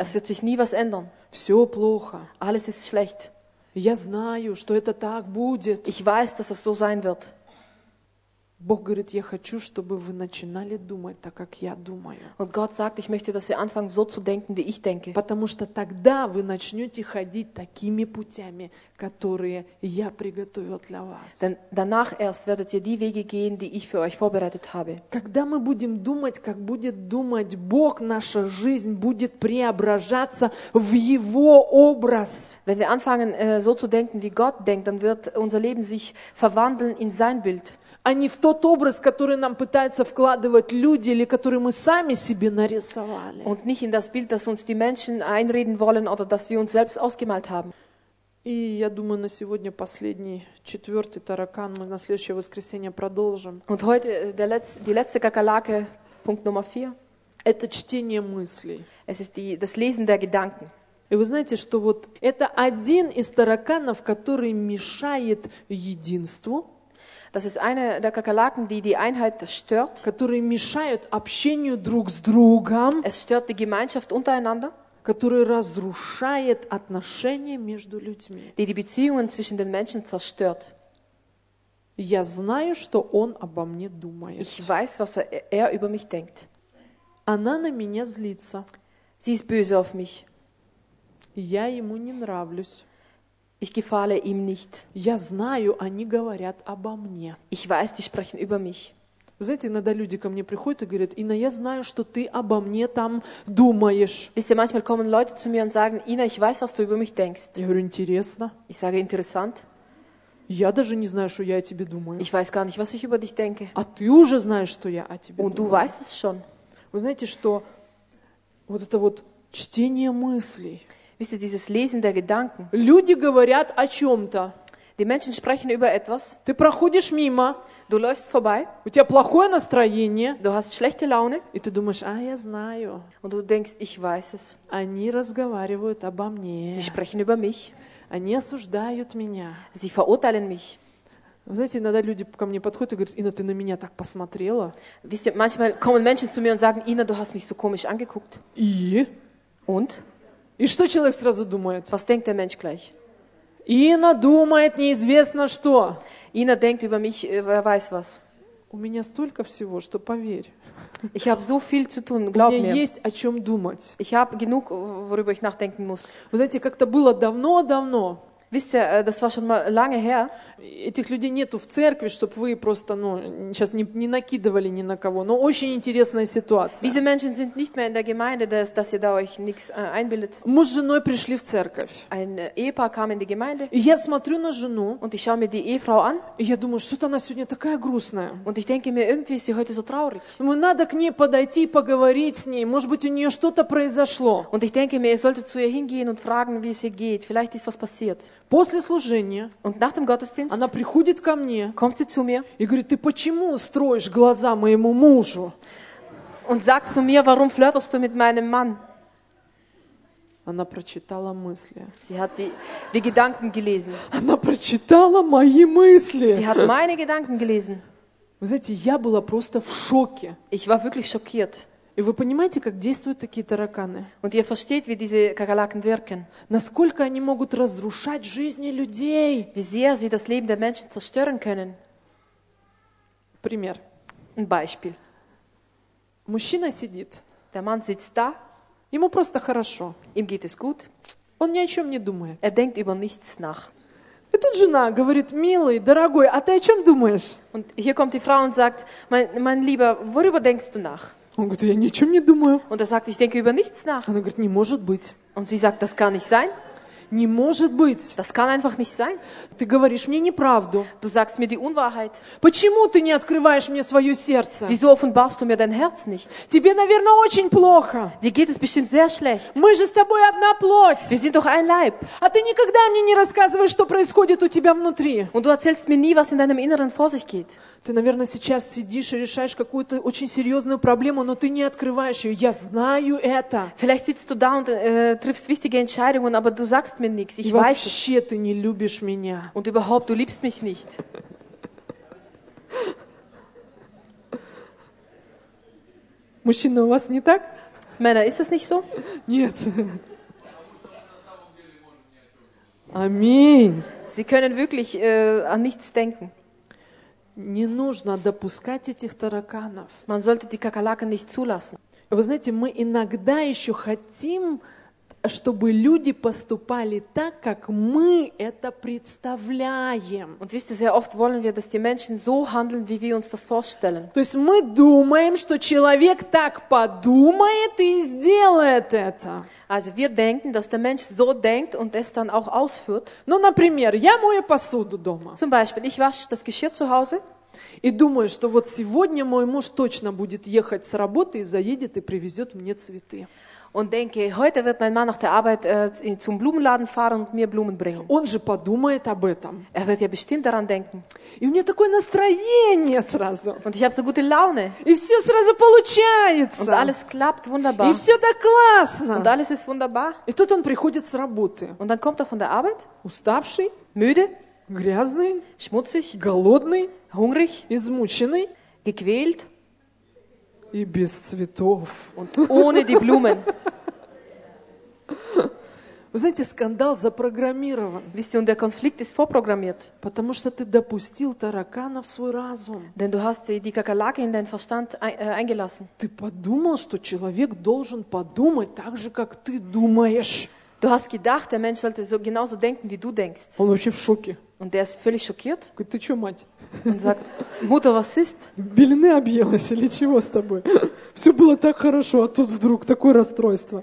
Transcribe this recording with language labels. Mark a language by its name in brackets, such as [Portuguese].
[German] Es wird sich nie was ändern. [Russian] Все плохо. [German] Alles ist schlecht. [Russian] Я знаю, что это так будет. [German] Ich weiß, dass es so sein wird. [Russian] Бог говорит, я хочу, чтобы вы начинали думать так, как я думаю. [German] Und Gott sagt, ich möchte, dass ihr anfangt, so zu denken, wie ich denke. [Russian] Потому что тогда вы начнете ходить такими путями, которые я приготовил для вас. [German] Denn danach erst werdet ihr die Wege gehen, die ich für euch vorbereitet habe. [Russian] Когда мы будем думать, как будет думать Бог, наша жизнь будет преображаться в Его образ. [German] Wenn wir anfangen, so zu denken, wie Gott denkt, dann wird unser Leben sich verwandeln in sein Bild. [Russian] А не в тот образ, который нам пытаются вкладывать люди или который мы сами себе нарисовали. [German] Und nicht in das Bild, das uns die Menschen einreden wollen oder das wir uns selbst ausgemalt haben. [Russian] И я думаю, на сегодня последний, четвертый таракан, мы на следующее воскресенье продолжим. [German] Und heute die letzte Kakerlake, Punkt Nummer 4. [Russian] Это чтение мыслей. [German] Es ist das Lesen der Gedanken. [Russian] И вы знаете, что вот это один из тараканов, который мешает единству. [German] Das ist eine der Kakerlaken, die die Einheit stört. [Russian] Которые мешают общению друг с другом. [German] Es stört die Gemeinschaft untereinander. [Russian] Который разрушает отношения между людьми. [German] Die die Beziehungen zwischen den Menschen zerstört. [Russian] Я знаю, что он обо мне думает. [German] Ich weiß, was über mich denkt. [Russian] Она на меня злится. [German] Sie ist böse auf mich. [Russian] Я ему не нравлюсь. [German] Ich gefalle ihm nicht. [Russian] Я знаю, они говорят обо мне. [German] Ich weiß, die sprechen über mich. [Russian] Вы знаете, иногда люди ко мне приходят и говорят, Инна, я знаю, что ты обо мне там думаешь. [German] Wisst ihr, manchmal kommen Leute zu mir und sagen, Инна, ich weiß, was du über mich denkst. [Russian] Я говорю, интересно. [German] Ich sage, interessant. [Russian] Я даже не знаю, что я о тебе думаю. [German] Ich weiß gar nicht, was ich über dich denke. [Russian] А ты уже знаешь, что я о тебе [German] und [Russian] думаю. [German] Und du weißt es schon. [Russian] Вы знаете, что вот это вот чтение мыслей, [German] Wisst ihr, dieses Lesen der Gedanken. [Russian] Люди говорят о чем-то. [German] Die Menschen sprechen über etwas. [Russian] Ты проходишь мимо. [German] Du läufst vorbei. [Russian] У тебя плохое настроение. [German] Du hast schlechte Laune. [Russian] И ты думаешь, а, я знаю. [German] Und du denkst, ich weiß es. [Russian] Они разговаривают обо мне. [German] Sie sprechen über mich. [Russian] Они осуждают меня. [German] Sie verurteilen mich. [Russian] Вы знаете, иногда люди ко мне подходят и говорят, Инна, ты на меня так посмотрела. [German] Wisst ihr, manchmal kommen Menschen zu mir und sagen, Инна, du hast mich so komisch angeguckt. [Russian] И? [German] Und? [Russian] И что человек сразу думает? [German] Was denkt der Mensch gleich? [Russian] Инна думает неизвестно что. [German] Инна denkt über mich, wer weiß was. [Russian] У меня столько всего, что поверь. [German] Ich habe so viel zu tun, glaub [Russian] мне. У меня есть о чем думать. [German] Ich habe genug, worüber ich nachdenken muss. [Russian] Вы знаете, как-то было давно-давно. [German] Wisst ihr, das war schon mal lange her. [Russian] Этих людей нету в церкви, чтобы вы просто, ну, сейчас не накидывали ни на кого. Но очень интересная ситуация. [German] Diese Menschen sind nicht mehr in der Gemeinde, dass ihr da euch nichts einbildet. [Russian] Мы с женой пришли в церковь. [German] Ein Ehepaar kam in die Gemeinde. [Russian] Я смотрю на жену. [German] Und ich schaue mir die Ehefrau an. [Russian] И я думаю, что-то она сегодня такая грустная. [German] Und ich denke mir, irgendwie ist sie heute so traurig. [Russian] Ну, надо к ней подойти, поговорить с ней. Может быть, у нее что-то произошло. [German] Und ich denke mir, ihr solltet zu ihr hingehen und fragen, wie es ihr geht. Vielleicht ist was passiert. [Russian] После служения [German] und nach dem Gottesdienst, [Russian] она приходит ко мне [German] kommt sie zu mir, [Russian] и говорит, ты почему строишь глаза моему мужу? [German] Und sagt zu mir, warum flirtest du mit meinem Mann? [Russian] Она прочитала мысли. [German] Sie hat die Gedanken gelesen. [Russian] Она прочитала мои мысли. [German] Sie hat meine Gedanken gelesen. [Russian] Вы знаете, я была просто в шоке. [German] Ich war wirklich schockiert. [Russian] И вы понимаете, как действуют такие тараканы? [German] Und ihr versteht, wie diese Kakerlaken wirken. [Russian] Насколько они могут разрушать жизни людей? [German] Wie sehr sie das Leben der Menschen zerstören können. [Russian] Пример. [German] Ein Beispiel. [Russian] Мужчина сидит. [German] Der Mann sitzt da. [Russian] Ему просто хорошо. [German] Ihm geht es gut. [Russian] Он ни о чем не думает. [German] Er denkt über nichts nach. [Russian] И тут жена говорит, милый, дорогой, а ты о чем думаешь? [German] Und hier kommt die Frau und sagt, mein Lieber, worüber denkst du nach? [Russian] Он говорит, я ни о чем не думаю. [German] Und er sagt, ich denke über nichts nach. [Russian] Она говорит, не может быть. [German] Und sie sagt, das kann nicht sein. [Russian] Не может быть. [German] Das kann einfach nicht sein. [Russian] Ты говоришь мне неправду. [German] Du sagst mir die Unwahrheit. [Russian] Почему ты не открываешь мне свое сердце? [German] Wieso offenbarst du mir dein Herz nicht? [Russian] Тебе, наверное, очень плохо. [German] Dir geht es bestimmt sehr schlecht. [Russian] Мы же с тобой одна плоть. [German] Wir sind doch ein Leib. [Russian] А ты никогда мне не рассказываешь, что происходит у тебя внутри. [German] Und du erzählst mir nie, was in deinem Inneren vor sich geht. [Russian] Ты, наверное, сейчас сидишь и решаешь какую-то очень серьезную проблему, но ты не открываешь ее. Я знаю это. [German] Vielleicht sitzt du da und triffst wichtige Entscheidungen, aber du sagst mir nichts. Ich weiß. [Russian] Вообще ты не любишь меня. [German] Und überhaupt, du liebst mich nicht. [Russian] Мужчина, у вас не так? [German] Männer, ist das nicht so? [Russian] Нет. Аминь. [German] Sie können wirklich an nichts denken. [Russian] Не нужно допускать этих тараканов. [German] Man sollte die Kakerlaken nicht zulassen. [Russian] Вы знаете, мы иногда еще хотим, чтобы люди поступали так, как мы это представляем. [German] Und wisst ihr, sehr oft wollen wir, dass die Menschen so handeln, wie wir uns das vorstellen. [Russian] То есть мы думаем, что человек так подумает и сделает это. [German] Also wir denken, dass der Mensch so denkt und es dann auch ausführt. [Russian] Ну, например, я мою посуду дома. [German] Zum Beispiel, ich wasche das Geschirr zu Hause. [Russian] И думаю, что вот сегодня мой муж точно будет ехать с работы и заедет и привезет мне цветы. [German] Und denke, heute wird mein Mann nach der Arbeit zum Blumenladen fahren und mir Blumen bringen. [Russian] Он же подумает об этом. [German] Er wird ja bestimmt daran denken. [Russian] И у меня такое настроение сразу. [German] Und ich habe so gute Laune. [Russian] И все сразу получается. [German] Und alles klappt wunderbar. [Russian] И все так классно. [German] Und alles ist wunderbar. [Russian] И тут он приходит с работы. [German] Und dann kommt er von der Arbeit. [Russian] Уставший. [German] Müde. [Russian] Грязный. [German] Schmutzig. [Russian] Голодный. [German] Hungrig. [Russian] Измученный. [German] Gequält. [Russian] И без цветов. [German] Und ohne die Blumen. [Russian] Вы знаете, скандал запрограммирован. [German] Wisst ihr, und der Konflikt ist vorprogrammiert. [Russian] Потому что ты допустил таракана в свой разум. [German] Denn du hast die Kakerlake in deinen Verstand eingelassen. [Russian] Ты подумал, что человек должен подумать так же, как ты думаешь. [German] Du hast gedacht, der Mensch sollte so genauso denken, wie du denkst. [Russian] Он вообще в шоке. [German] Und der ist völlig schockiert. [Russian] Говорит, ты чё, мать? [German] Он sagt, Mutter, was ist? [Russian] Белины объелась или чего с тобой? Все было так хорошо, а тут вдруг такое расстройство.